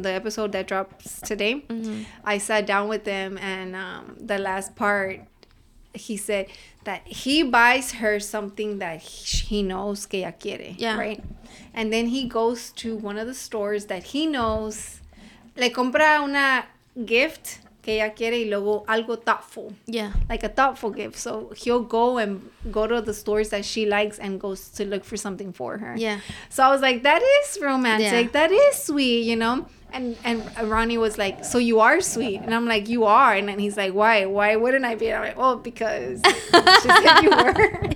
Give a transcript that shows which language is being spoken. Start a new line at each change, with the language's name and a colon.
English: The episode that drops today, mm-hmm. I sat down with him. And the last part, he said that he buys her something that he knows
Spanish: que ella quiere.
English: Yeah. Right? And then he goes to one of the stores that he knows.
Spanish: Le compra una gift que ella quiere y luego algo thoughtful.
English: Yeah. Like a thoughtful gift. So he'll go to the stores that she likes and goes to look for something for her. Yeah. So I was like, that is romantic. Yeah. That is sweet, you know? And Ronnie was like, so you are sweet. And I'm like, you are. And then he's like, why? Why wouldn't I be? And I'm like, well, because she said you were.